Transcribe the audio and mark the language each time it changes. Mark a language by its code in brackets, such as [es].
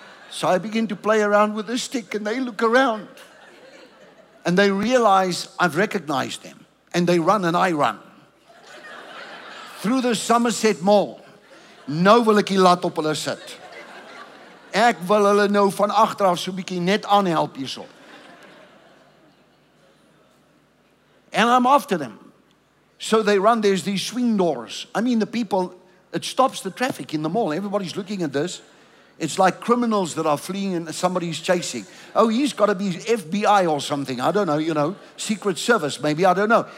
[en] So I begin to play around with the stick and they look around and they realize I've recognized them and they run and I run through the Somerset Mall. [af] Nou wil ek hier laat op hulle sit. Ek wil hulle nou van agter af so bietjie net aan help hierso. [en] And I'm after them. So they run, there's these swing doors. I mean the people, it stops the traffic in the mall. Everybody's looking at this. It's like criminals that are fleeing and somebody's chasing. Oh, he's got to be FBI or something. I don't know, you know, Secret Service maybe. I don't know.